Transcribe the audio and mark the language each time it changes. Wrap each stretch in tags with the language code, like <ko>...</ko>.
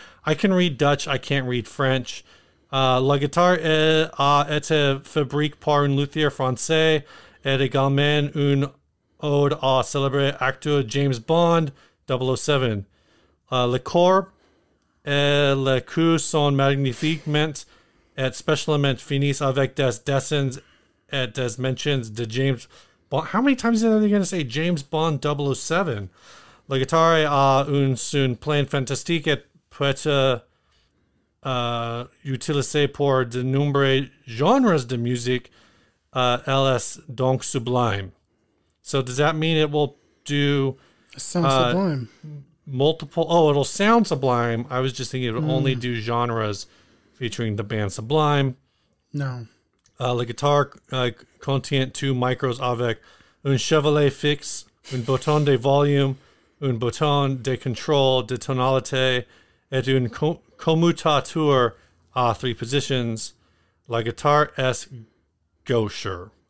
<en>I can read Dutch, I can't read French.</en> <fr>La guitare est fabrique par un luthier français et également un ode à célèbre acteur James Bond 007. Le corps. Le coup sont magnifiquement et spécialement finis avec des dessins et des mentions de James Bond.</fr> <en>How many times are they going to say James Bond 007?</en> <fr>La guitare a un son plein fantastique et peut être utilisé pour de nombreux genres de musique. Elle est donc sublime.</fr> <en>So does that mean it will do... It sounds sublime. It'll sound sublime. I was just thinking it would only do genres featuring the band Sublime. No.</en> <fr>La guitare contient 2 micros avec un chevalet fixe, un bouton de volume, un bouton de control de tonalité et un commutateur à 3 positions. La guitare est gaucher,</fr>